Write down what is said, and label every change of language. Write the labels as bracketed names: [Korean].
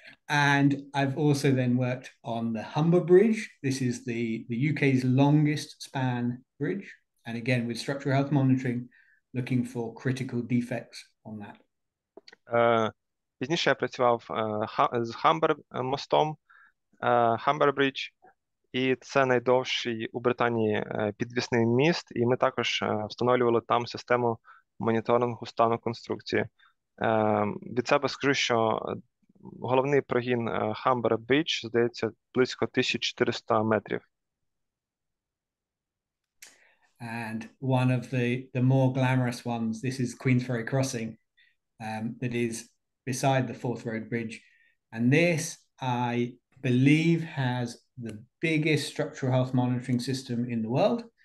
[English] And I've also then worked on the Humber Bridge. This is the UK's longest span bridge. And again, with structural health monitoring, looking for critical defects on that. [Ukrainian] Пізніше я працював з Humber мостом, Humber Bridge, і це найдовший у Британії підвісний міст, і ми також встановлювали там систему моніторингу стану конструкції. Від себе скажу, що головний прогін Humber Bridge, здається, близько 1400 метрів. [English] And one of the more glamorous ones, this is Queensferry Crossing, that is beside the Forth Road Bridge. And this, I believe, has the biggest structural health monitoring system in the world.